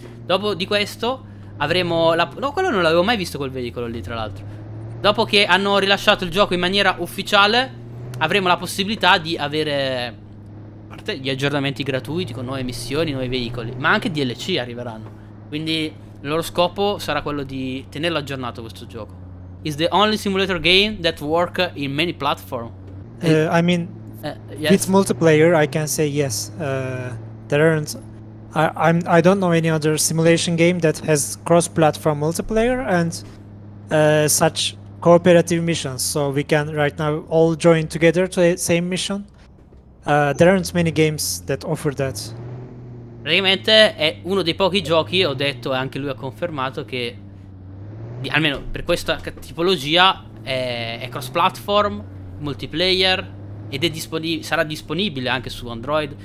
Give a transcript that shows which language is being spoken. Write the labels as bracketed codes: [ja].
[it] Dopo di questo avremo la... No, quello non l'avevo mai visto, quel veicolo lì, tra l'altro. Dopo che hanno rilasciato il gioco in maniera ufficiale, avremo la possibilità di avere, a parte gli aggiornamenti gratuiti con nuove missioni, nuovi veicoli, ma anche DLC arriveranno. Quindi il loro scopo sarà quello di tenerlo aggiornato, questo gioco. [en] It's the only simulator game that work in many platform. I mean, yes. It's multiplayer, I can say yes. There aren't... I don't know any other simulation game that has cross-platform multiplayer and such cooperative missions, so we can right now all join together to the same mission. There aren't many games that offer that. [it] Praticamente è uno dei pochi giochi, ho detto, e anche lui ha confermato, che almeno per questa tipologia è cross-platform, multiplayer, ed è sarà disponibile anche su Android.